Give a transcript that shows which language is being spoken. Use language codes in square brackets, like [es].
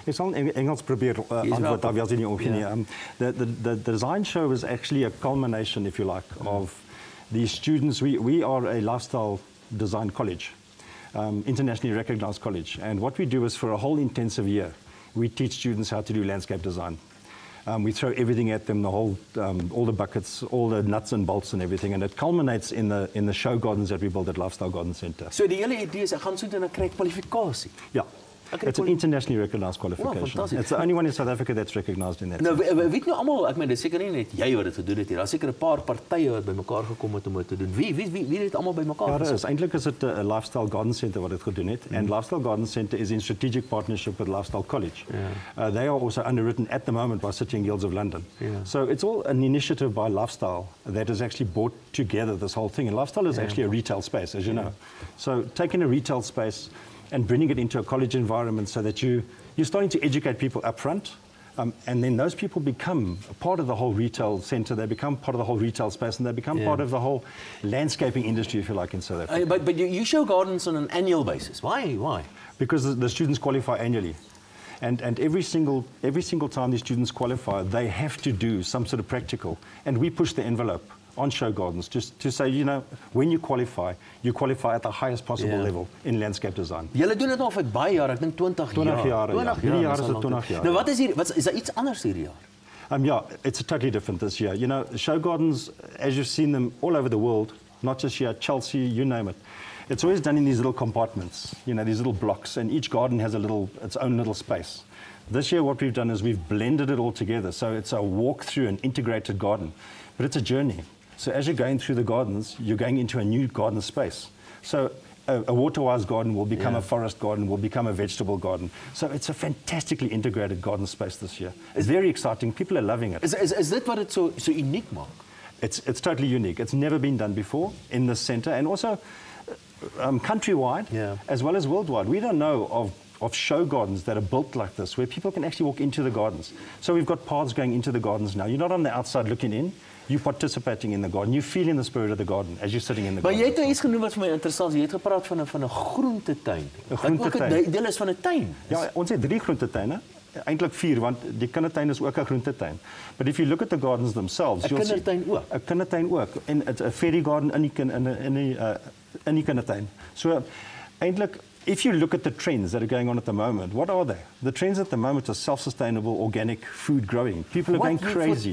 [af] Ek sal in Engels probeer antwoord daar wel in die opinie. [en] The design show is actually a culmination, if you like, of the students. We are a lifestyle design college, internationally recognized college. And what we do is for a whole intensive year, we teach students how to do landscape design. We throw everything at them, the whole, all the buckets, all the nuts and bolts and everything, and it culminates in the show gardens that we build at Lifestyle Garden Center. [af] So die hele idee is, ek gaan soet en ek kry kwalifikasie. [en] Ja. It's an internationally recognized qualification. Wow, it's the only one in South Africa that's recognized in that. [af] Nou, weet nou almal, ek meen dis seker nie net jy wat dit gedoen het hier. Daar's seker 'n paar partye wat bymekaar gekom het om dit te doen. Wie het almal bymekaar gekom? Ja, is eintlik is dit 'n Lifestyle Garden Center wat dit gedoen het. [en] And Lifestyle Garden Center is in strategic partnership with Lifestyle College. Yeah. They are also underwritten at the moment by City and Guilds of London. Yeah. So it's all an initiative by Lifestyle that has actually brought together this whole thing. And Lifestyle is actually a retail space, as you know. So taking a retail space and bringing it into a college environment so that you're starting to educate people up front And then those people become part of the whole retail center. They become part of the whole retail space, and they become part of the whole landscaping industry, if you like, in South Africa. But you show gardens on an annual basis. Why? Because the students qualify annually. And every single time these students qualify, they have to do some sort of practical. And we push the envelope on show gardens just to say, you know, when you qualify at the highest possible level in landscape design. [af] Julle doen dit al vir baie jare, ek dink 20 jaar. 20 jaar is dit 20 jaar. Nou wat is hier, is daar iets anders hierdie jaar? [en] Yeah, it's totally different this year. You know, show gardens, as you've seen them all over the world, not just here, Chelsea, you name it, it's always done in these little compartments, you know, these little blocks, and each garden has its own little space. This year what we've done is we've blended it all together, so it's a walk through an integrated garden, but it's a journey. So as you're going through the gardens, you're going into a new garden space. So a water-wise garden will become a forest garden, will become a vegetable garden. So it's a fantastically integrated garden space this year. It's very exciting. People are loving it. Is that what it's so unique, Mark? It's totally unique. It's never been done before in this center. And also countrywide, as well as worldwide. We don't know of show gardens that are built like this, where people can actually walk into the gardens. So we've got paths going into the gardens now. You're not on the outside looking in. You participating in the garden, you feel in the spirit of the garden as you're sitting in the garden. [af] Maar jy het nou iets genoem wat vir my interessant is. Jy het gepraat van 'n groentetuin. 'N groentetuin. Deel is van 'n tuin. Ja, ons het 3 groentetuine. Eintlik 4, want die kindertuin is ook 'n groentetuin. [en] But if you look at the gardens themselves, you'll see. [af] 'N kindertuin ook. 'N kindertuin ook. En [en] it's a fairy garden [af] in die kindertuin. [en] So [af] eintlik, [en] if you look at the trends that are going on at the moment, what are they? The trends at the moment are self-sustainable, organic food growing. People are going crazy.